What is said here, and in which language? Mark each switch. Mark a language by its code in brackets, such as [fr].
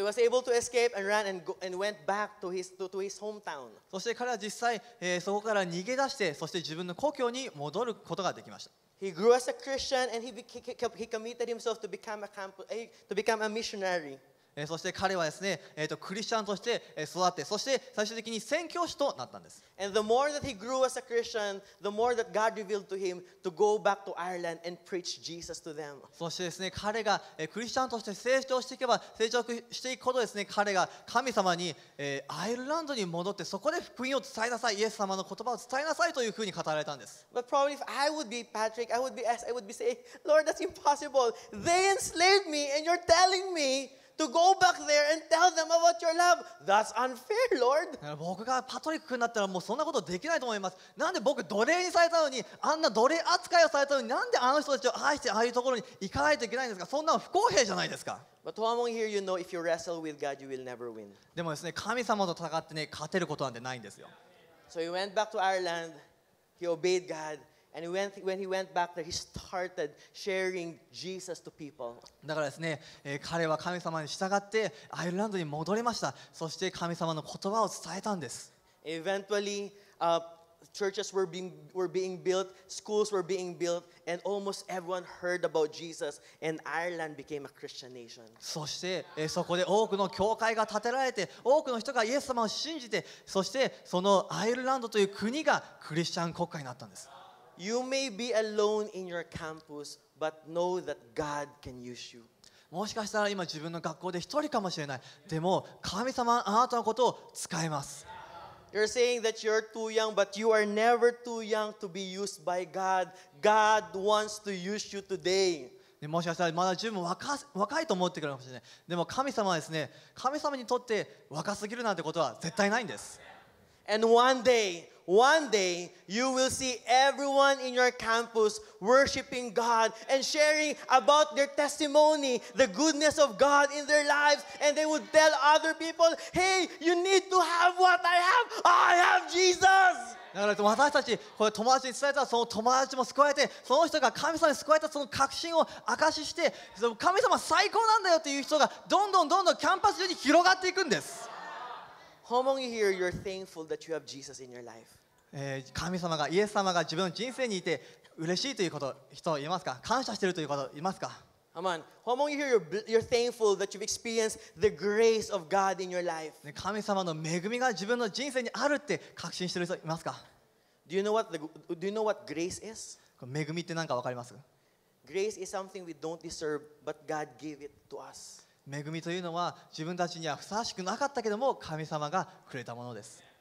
[en] So he was able to escape and run and went back to his hometown. [ja] そして彼は実際、そこから逃げ出して、そして自分の故郷に戻ることができました。 [en] He grew as a Christian and he committed himself to become a missionary. [ja] そして彼はですね、クリスチャンとして育って、そして最終的に宣教師となったんです。 [en] And the more that he grew as a Christian, the more that God revealed to him to go back to Ireland and preach Jesus to them. [ja] そしてですね、彼がクリスチャンとして成長していけば、成長していくほどですね、彼が神様にアイルランドに戻って、そこで福音を伝えなさい、イエス様の言葉を伝えなさいというふうに語られたんです。 [en] But probably if I would be Patrick, I would be saying, Lord, that's impossible. They enslaved me, and you're telling me. To go back there and tell them about your love. That's unfair, Lord. [ja] 僕がパトリック君になったらもうそんなことできないと思います。なんで僕奴隷にされたのに、あんな奴隷扱いをされたのに、なんであの人たちを愛してああいうところに行かないといけないんですか。そんなの不公平じゃないですか。 [en] But I won't hear you know if you wrestle with God, you will never win. [ja] でもですね、神様と戦ってね、勝てることなんてないんですよ。 [en] So he went back to Ireland. He obeyed God. And when he went back there, he started sharing Jesus to people. [ja] だからですね、彼は神様に従ってアイルランドに戻りました。そして神様の言葉を伝えたんです。 [en] Eventually, churches were being built, schools were being built, and almost everyone heard about Jesus, and Ireland became a Christian nation. [ja] そして、そこで多くの教会が建てられて、多くの人がイエス様を信じて、そしてそのアイルランドという国がクリスチャン国家になったんです。 [en] You may be alone in your campus, but know that God can use you. [ja] もしかしたら今自分の学校で一人かもしれない。でも神様はあなたのことを使います。 [en] You're saying that you're too young, but you are never too young to be used by God. God wants to use you today. [ja] もしかしたらまだ自分も 若いと思ってくるかもしれない。でも神様はですね、神様にとって若すぎるなんてことは絶対ないんです。 [en] And one day, you will see everyone in your campus worshiping God and sharing about their testimony, the goodness of God in their lives, and they would tell other people, "Hey, you need to have what I have. I have Jesus." [ja] だから私たち、これ友達に伝えたら、その友達も救われて、その人が神様に救われたその確信を証しして、神様最高なんだよっていう人がどんどんどんどんキャンパス中に広がっていくんです。 [en] How many here you're thankful that you have Jesus in your life? [ja] 神様が、イエス様が自分の人生にいて嬉しいということ、人いますか？感謝しているということいますか？ [en] Come on. How many here you're thankful that you've experienced the grace of God in your life? [ja] 神様の恵みが自分の人生にあるって確信してる人いますか? [en] Do you know what grace is? [ja] 恵みって何か分かります? [en] Grace is something we don't deserve, but God gave it to us. [ja] 恵みというのは自分たちにはふさわしくなかったけども神様がくれたものです。